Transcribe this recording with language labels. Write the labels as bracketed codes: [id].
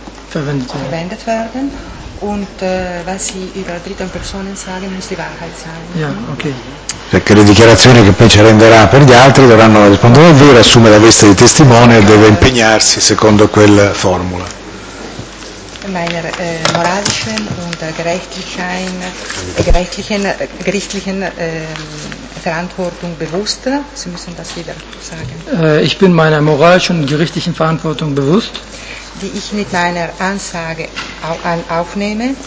[de] Verwendet werden und was sie über dritte Personen sagen, muss die Wahrheit sein. Ja, okay. [it] Perché le dichiarazioni che poi ci renderà per gli altri dovranno rispondere al vero, assume la veste di testimone e deve impegnarsi secondo quella formula. [de] Meiner moralischen und gerichtlichen Verantwortung bewusst. Sie müssen das wieder sagen. Ich bin meiner moralischen und gerichtlichen Verantwortung bewusst. Die ich mit meiner Aussage aufnehme.